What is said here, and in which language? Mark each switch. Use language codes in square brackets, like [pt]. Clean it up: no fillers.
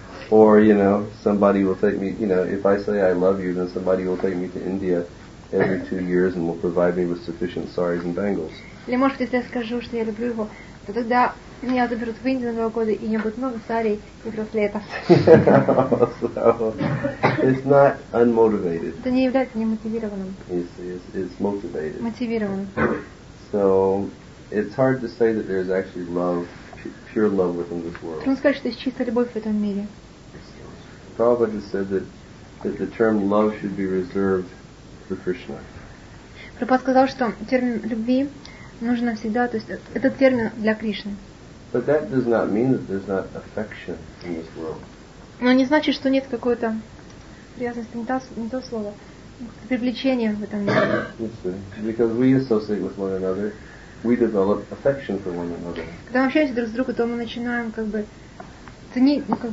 [en] Or, you know, somebody will take me, you know, if I say I love you, then somebody will take me to India every 2 years and will provide me with sufficient saris and bangles. [ru] Или, может быть, если я скажу, что я люблю его, то тогда меня заберут в Индию на 2 года, и у меня будет много сарей и браслета. [en] So, it's not unmotivated. [ru] Это не является немотивированным. [en] It's motivated. [ru] Мотивированным. [en] So, it's hard to say that there's actually love, pure love within this world. [ru] Трудно сказать, что есть чистая любовь в этом мире. [en] Prabhupada said that the term love should be reserved for Krishna. [ru] Prabhupada сказал, что термин любви нужен всегда, то есть этот термин для Кришны. [en] But that does not mean that there's not affection in this world. [ru] Но не значит, что нет какой-то привязанности, не то слово, привлечения в этом мире. [en] Yes, because we associate with one another, we develop affection for one another. [ru] Когда мы общаемся друг с другом, то мы начинаем как бы ценить.